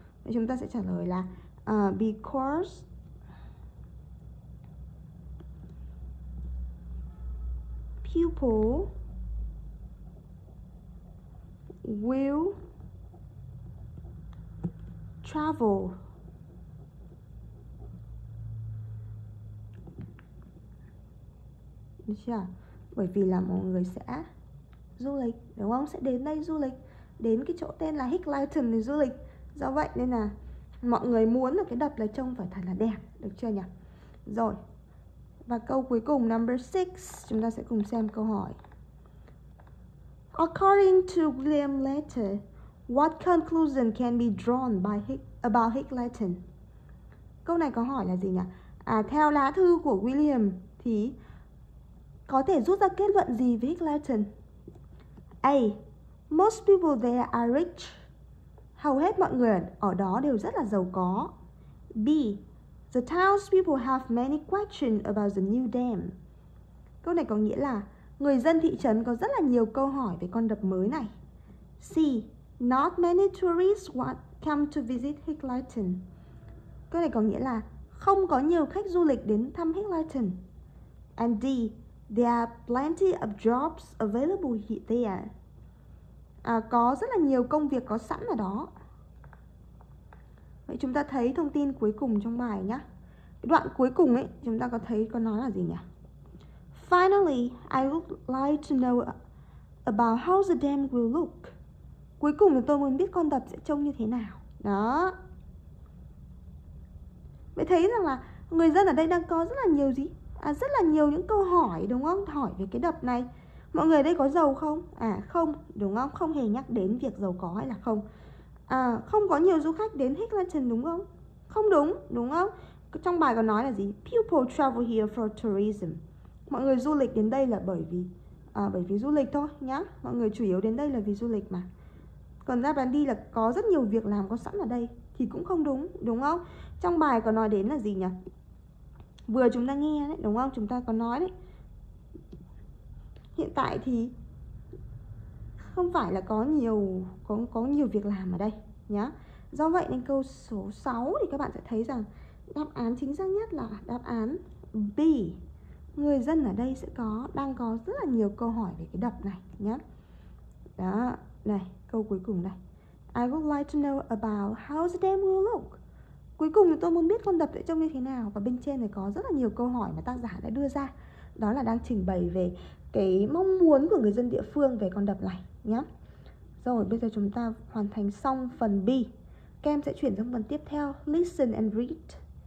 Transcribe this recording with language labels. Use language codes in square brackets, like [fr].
[vi] Vậy chúng ta sẽ trả lời là bởi vì là mọi người sẽ du lịch, đúng không? Sẽ đến đây du lịch, đến cái chỗ tên là Hickleton để du lịch. Do vậy nên là mọi người muốn là cái đập này trông phải thật là đẹp, được chưa nhỉ? Rồi. Và câu cuối cùng, [en] number 6, [vi] chúng ta sẽ cùng xem câu hỏi. [en] According to William Letter, what conclusion can be drawn by about Hickleton? [vi] Câu này có hỏi là gì nhỉ? À, theo lá thư của William thì có thể rút ra kết luận gì về Hickleton? A. [en] Most people there are rich. [vi] Hầu hết mọi người ở đó đều rất là giàu có. B. [en] The town's people have many questions about the new dam. [vi] Câu này có nghĩa là người dân thị trấn có rất là nhiều câu hỏi về con đập mới này. C. [en] Not many tourists want come to visit Hickleton. [vi] Câu này có nghĩa là không có nhiều khách du lịch đến thăm Hickleton. [en] And D. There are plenty of jobs available here. [vi] Có rất là nhiều công việc có sẵn ở đó. Vậy chúng ta thấy thông tin cuối cùng trong bài nhá. Đoạn cuối cùng ấy, chúng ta có thấy có nói là gì nhỉ? [en] Finally, I would like to know about how the dam will look. [vi] Cuối cùng thì tôi muốn biết con đập sẽ trông như thế nào. Đó. Vậy thấy rằng là người dân ở đây đang có rất là nhiều gì? À, rất là nhiều những câu hỏi, đúng không? Hỏi về cái đập này. Mọi người đây có giàu không? À không, đúng không? Không hề nhắc đến việc giàu có hay là không. À không có nhiều du khách đến Hickleton, đúng không? Không đúng, đúng không? Trong bài còn nói là gì? [en] People travel here for tourism. [vi] Mọi người du lịch đến đây là bởi vì du lịch thôi nhá. Mọi người chủ yếu đến đây là vì du lịch mà. Còn đáp án đi là có rất nhiều việc làm có sẵn ở đây thì cũng không đúng, đúng không? Trong bài còn nói đến là gì nhỉ? Vừa chúng ta nghe đấy, đúng không? Chúng ta có nói đấy. Hiện tại thì không phải là có nhiều việc làm ở đây nhá. Do vậy nên câu số 6 thì các bạn sẽ thấy rằng đáp án chính xác nhất là đáp án B. Người dân ở đây sẽ đang có rất là nhiều câu hỏi về cái đập này nhá. Đó, này, câu cuối cùng này. [en] I would like to know about how the dam will look. [vi] Cuối cùng tôi muốn biết con đập sẽ trông như thế nào. Và bên trên này có rất là nhiều câu hỏi mà tác giả đã đưa ra. Đó là đang trình bày về cái mong muốn của người dân địa phương về con đập này nhá. Rồi, bây giờ chúng ta hoàn thành xong phần B. Các em sẽ chuyển sang phần tiếp theo, [en] listen and read.